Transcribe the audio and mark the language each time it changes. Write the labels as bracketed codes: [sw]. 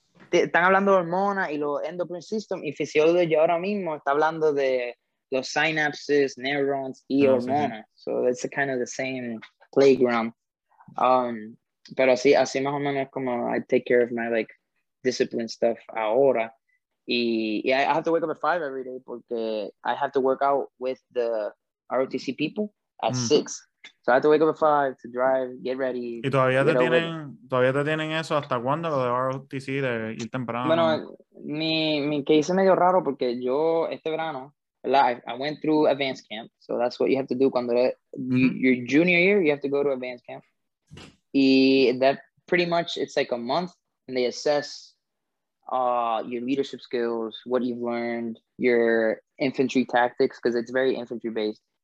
[es] Están hablando de hormonas y lo endocrine system y physiology ahora mismo está hablando de. [en] Los synapses, neurons, y hormonas. So it's kind of the same playground. [es] Pero así más o menos como [en] I take care of my like discipline stuff [es] ahora. [en] Y I have to wake up at 5 every day porque I have to work out with the ROTC people at 6. So I have to wake up at 5 to drive, get ready. [es] ¿Y todavía te tienen eso hasta cuándo lo de ROTC de ir temprano? Bueno, mi que hice medio raro porque yo este verano [en] I went through advanced camp, so that's what you have to do [es] cuando [en] your junior year, you have to go to advanced camp. Y that pretty much, it's like a month, and they assess your leadership skills, what you've learned, your infantry tactics, because it's very infantry based.